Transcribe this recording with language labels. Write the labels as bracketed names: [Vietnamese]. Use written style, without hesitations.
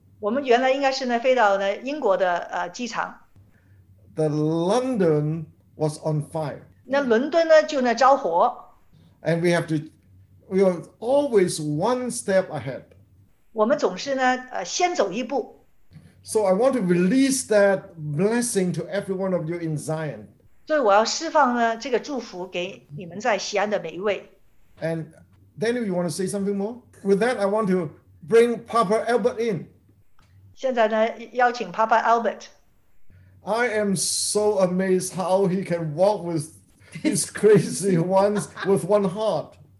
[Chinese] 我们原来应该是呢飞到呢英国的机场。The [English] London was on fire. [Chinese] 那伦敦呢就那着火。 [English] And we are always one step ahead. [Chinese] 我们总是呢，先走一步。So [English] I want to release that blessing to every one of you in Zion. [Chinese] 所以我要释放呢，这个祝福给你们在西安的每一位。And [English] then you want to say something more? With that, I want to bring Papa Albert in. [Chinese] 现在呢，邀请 Papa Albert. [English] I am so amazed how he can walk with these crazy ones with one heart.